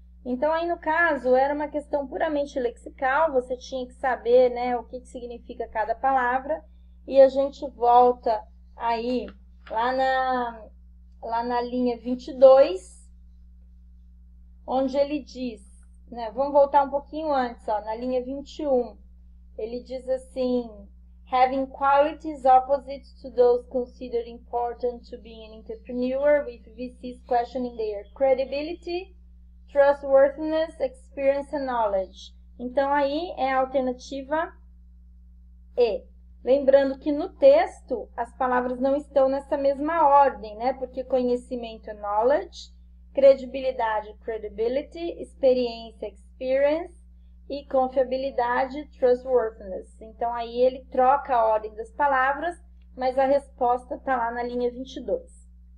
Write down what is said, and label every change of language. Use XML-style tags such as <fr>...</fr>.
<pt>Então, aí no caso, era uma questão puramente lexical, você tinha que saber, né, o que que significa cada palavra, e a gente volta aí lá na linha 22, onde ele diz, né, vamos voltar um pouquinho antes, ó, na linha 21. Ele diz assim:</pt> <en>having qualities opposite to those considered important to being an entrepreneur, with VCs questioning their credibility, trustworthiness, experience and knowledge.</en> <pt>Então, aí é a alternativa E. Lembrando que no texto as palavras não estão nessa mesma ordem, né? Porque conhecimento é knowledge, credibilidade, credibility, experiência, experience. E confiabilidade, trustworthiness. Então, aí ele troca a ordem das palavras, mas a resposta está lá na linha 22.</pt>